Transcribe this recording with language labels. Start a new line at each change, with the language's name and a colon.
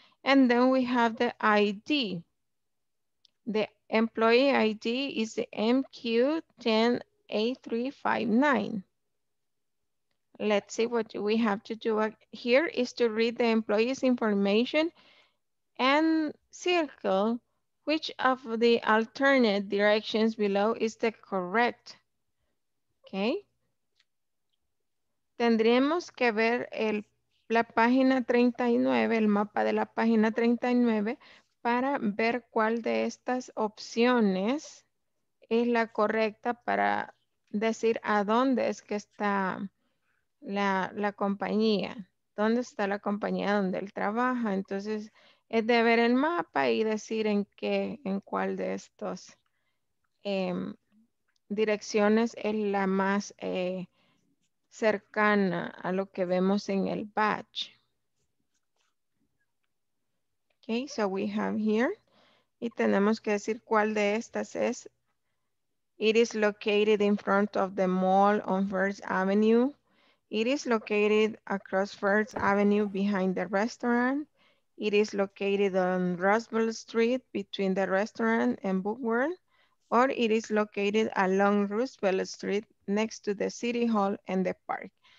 English: And then we have the ID. The employee ID is the MQ108359. Let's see what we have to do here is to read the employee's information and circle which of the alternate directions below is the correct. Okay.
Spanish: Tendríamos que ver la página 39, el mapa de la página 39, para ver cuál de estas opciones es la correcta para decir a dónde es que está la compañía, dónde está la compañía donde él trabaja. Entonces, es de ver el mapa y decir en cuál de estas direcciones es la más cercana a lo que vemos en el badge.
English: Okay, so we have here,
Spanish: y tenemos que decir cuál de estas es.
English: It is located in front of the mall on First Avenue. It is located across First Avenue behind the restaurant. It is located on Roosevelt Street between the restaurant and Book World. Or it is located along Roosevelt Street next to the City Hall and the park.